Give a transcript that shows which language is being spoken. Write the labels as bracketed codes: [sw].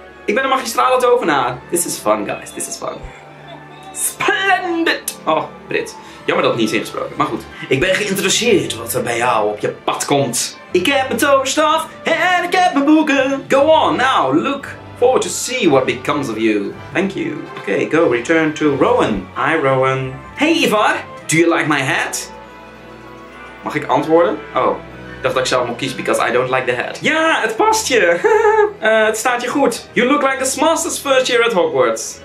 [nl] Ik ben een magistrale tovenaar. [en] This is fun, guys. This is fun. Splendid! Oh, Brit. [nl] Jammer dat het niet is ingesproken. Maar goed. Ik ben geïnteresseerd wat er bij jou op je pad komt. Ik heb mijn toverstaf en ik heb mijn boeken. [en] Go on, now. Look forward to see what becomes of you. Thank you. Okay, go. Return to Rowan. Hi, Rowan. Hey, Ivar. Do you like my hat? [nl] Mag ik antwoorden? Oh, ik dacht dat ik zelf moet kiezen, [en] because I don't like the hat. [nl] Ja, het past je. het staat je goed. [en] You look like a master's first year at Hogwarts.